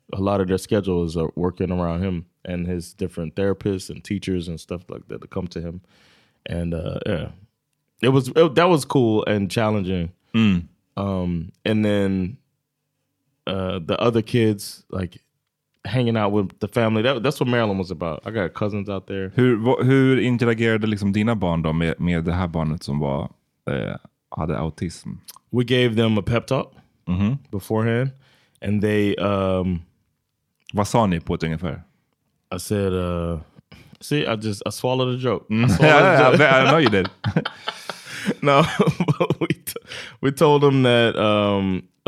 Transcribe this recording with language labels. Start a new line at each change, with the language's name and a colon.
English: A lot of their schedules are working around him and his different therapists and teachers and stuff like that to come to him. And yeah, that was cool and challenging. And then the other kids, like hanging out with the family. That's what Maryland was about. I got cousins out there.
Swedish: Hur interagerade liksom dina barn då med det här barnet som var hade autism?
English: We gave them a pep talk beforehand, and they.
Swedish: Vad sa ni på ungefär?
English: I said, I swallowed a joke. I know you did. No, but we told them that.